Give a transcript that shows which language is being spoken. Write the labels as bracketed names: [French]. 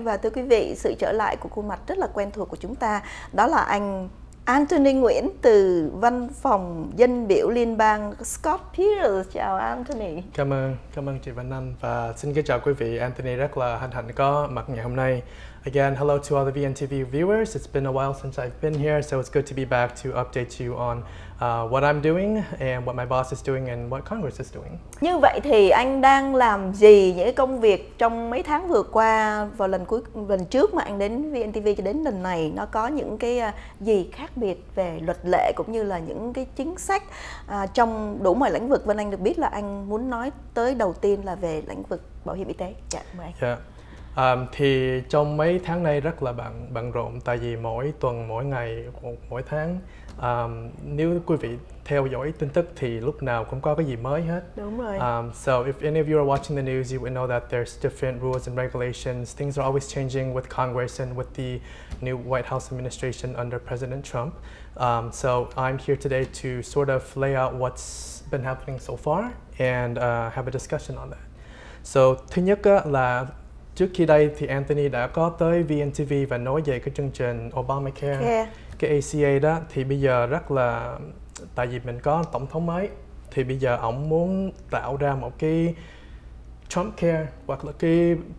[Vietnamese] Và thưa quý vị, sự trở lại của khuôn mặt rất là quen thuộc của chúng ta đó là anh Anthony Nguyễn từ Văn phòng Dân biểu Liên bang Scott Peters. Chào Anthony. Cảm ơn chị Vân Anh và xin kính chào quý vị. Anthony rất là hân hạnh có mặt ngày hôm nay. [English] Again, hello to all the VNTV viewers. It's been a while since I've been here, so it's good to be back to update you on what I'm doing and what my boss is doing and what Congress is doing. [Vietnamese] Như vậy thì anh đang làm gì, những công việc trong mấy tháng vừa qua và lần trước mà anh đến VNTV cho đến lần này, nó có những cái gì khác biệt về luật lệ cũng như là những cái chính sách trong đủ mọi lĩnh vực? Vân Anh được biết là anh muốn nói tới đầu tiên là về lĩnh vực bảo hiểm y tế. Dạ, mời anh. [English] Yeah. [Vietnamese] Thì trong mấy tháng nay rất là bận rộn tại vì mỗi tuần, mỗi ngày, mỗi tháng nếu quý vị theo dõi tin tức thì lúc nào cũng có cái gì mới hết. Đúng rồi. [English] So if any of you are watching the news, you would know that there's different rules and regulations. Things are always changing with Congress and with the new White House administration under President Trump. So I'm here today to sort of lay out what's been happening so far and have a discussion on that. [Vietnamese] So thứ nhất là trước khi đây thì Anthony đã có tới VNTV và nói về cái chương trình Obamacare, cái ACA đó. Thì bây giờ rất là, tại vì mình có tổng thống mới, thì bây giờ ổng muốn tạo ra một cái Trump Care hoặc là cái